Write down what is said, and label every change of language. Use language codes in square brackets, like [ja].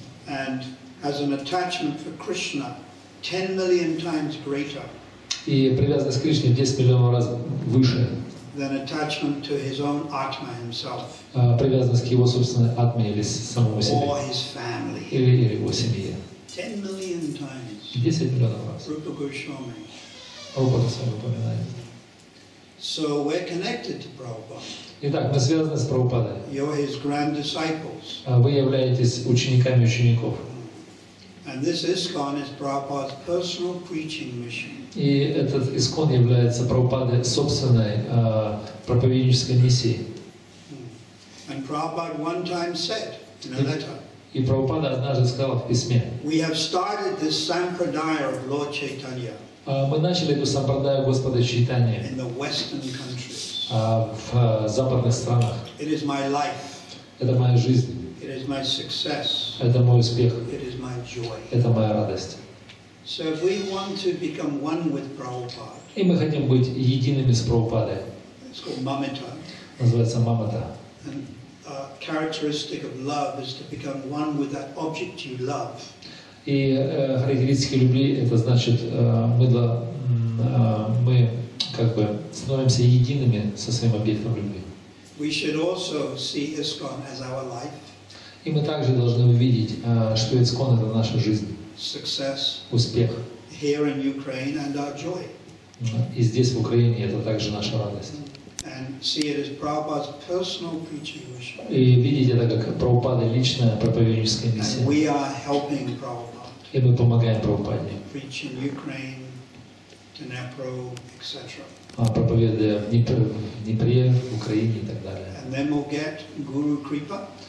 [en] And has an attachment for Krishna 10 million times greater. [ru] И привязанность к Кришне 10 миллионов раз выше. [en] Than attachment to his own Atma himself. [ru] Привязанность к его собственной Атме или самому себе. [en] Or his family. [ru] Или его семье. [en] 10 million times. [ru] 10 миллионов раз. [en] Rupa Goswami. [ru] Rupa Goswami упоминает. [en] So we're connected to Prabhupada. [ru] Итак, мы связаны с Прабхупадой. [en] You're his grand disciples. [ru] Вы являетесь учениками учеников. [en] And this ISKCON is Prabhupada's personal preaching mission. [ru] И этот ISKCON является Прабхупаде собственной проповеднической миссией. [en] And Prabhupada one time said in a letter. [ru] И Прабхупада однажды сказал в письме. [en] We have started this sampradaya of Lord Chaitanya. [ru] Мы начали эту сампрадаю Господа Чайтаньи. [en] In the Western countries. [ru] В западных странах. [en] It is my life. [ru] Это моя жизнь. [en] It is my success. [ru] Это мой успех. [en] It is my joy. [ru] Это моя радость. [en] So if we want to become one with Prabhupada. [ru] И мы хотим быть едиными с Прабхупадой. [en] It's called mamata. [ru] Называется мамата. [en] And a characteristic of love is to become one with that object you love. [ru] И характеристики любви это значит мы как бы становимся едиными со своим объектом любви. [en] We should also see ISKCON as our life. [ru] И мы также должны увидеть, что ISKCON — это наша жизнь. [en] Success. [ru] Успех. [en] Here in Ukraine and our joy. [ru] И здесь, в Украине, это также наша радость. [en] And see it as Prabhupada's personal preaching mission. [ru] И видеть это как Прабхупада личная проповедническая миссия. [en] And we are helping Prabhupada. [ru] И мы помогаем Прабхупаде. [en] Preach in Ukraine. Dnepro, etc. [ru] Проповедуя в Днепре, в Украине и так далее. [en] And then we'll get Guru Kripa.